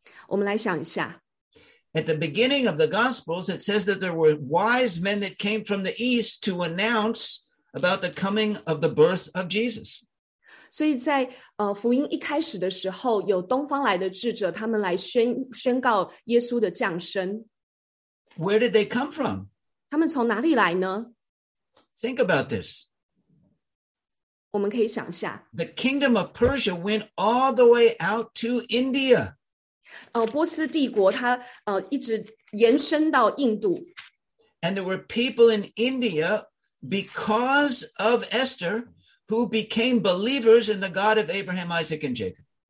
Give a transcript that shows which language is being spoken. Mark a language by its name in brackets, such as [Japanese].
[English] At the beginning of the Gospels, it says that there were wise men that came from the East to announce about the coming of the birth of Jesus. [Chinese] 所以在福音一开始的时候,有东方来的智者,他们来宣告耶稣的降生。 [English] Where did they come from? [Chinese] 他们从哪里来呢? [English] Think about this. [Chinese] 我们可以想下, [English] the kingdom of Persia went all the way out to India. [Chinese] 波斯帝国它一直延伸到印度。 [English] And there were people in India because of Esther who became believers in the God of Abraham, Isaac, and Jacob.